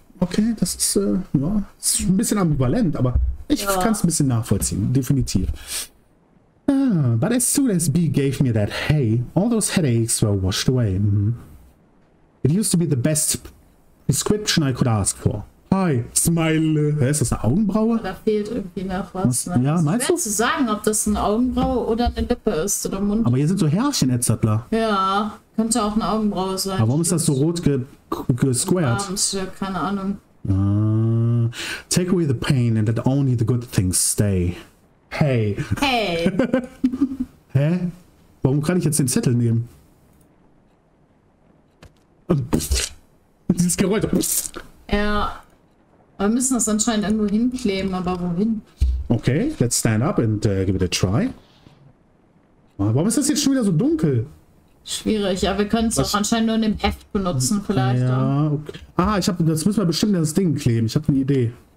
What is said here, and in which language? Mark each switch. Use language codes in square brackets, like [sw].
[de] Okay, das ist, ja, ist ein bisschen ambivalent, aber ich kann es ein bisschen nachvollziehen, definitiv. [en] But as soon as B gave me that hey, all those headaches were washed away. Mm-hmm. It used to be the best description I could ask for. Hi, smile. [de] Hä, ist das eine Augenbraue? Da fehlt irgendwie noch was. Ne? Ja, meinst du? Ich kann zu sagen, ob das eine Augenbraue oder eine Lippe ist oder Mund. Aber hier sind so Härchen, Edzardler. Ja, könnte auch eine Augenbraue sein. Aber warum ist das so rot gesquared? Ja, keine Ahnung. [en] Take away the pain and let only the good things stay. Hey. Hey. [de] Hä? Warum kann ich jetzt den Zettel nehmen? Dieses Geräusch. Ja, wir müssen das anscheinend irgendwo hinkleben, aber wohin? [en] Okay, let's stand up and give it a try. [de] Warum ist das jetzt schon wieder so dunkel? Schwierig, ja, wir können es auch anscheinend nur in dem Heft benutzen vielleicht. Ja, okay. Ah, ich hab, das müssen wir bestimmt in das Ding kleben, ich habe eine Idee.